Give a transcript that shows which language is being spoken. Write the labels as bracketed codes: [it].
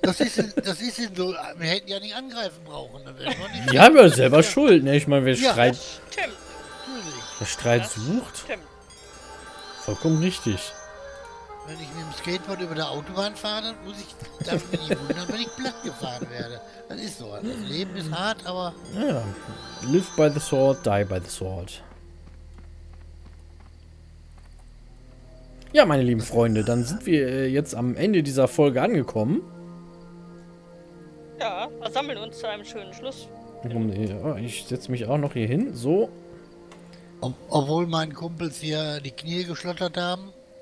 [de] Das ist so, wir hätten ja nicht angreifen brauchen. Die haben ja selber Schuld, ne? Ich meine, wer Streit... Wer Streit sucht? Vollkommen richtig. Wenn ich mit dem Skateboard über der Autobahn fahre, dann muss ich dafür nicht wundern, wenn ich platt gefahren werde. Das ist so. Das Leben ist hart, aber... Ja. [en] Live by the sword, die by the sword. [de] Ja, meine lieben Freunde, dann sind wir jetzt am Ende dieser Folge angekommen. Ja, versammeln uns zu einem schönen Schluss. Ich setze mich auch noch hier hin, so. Obwohl meine Kumpels hier die Knie geschlottert haben.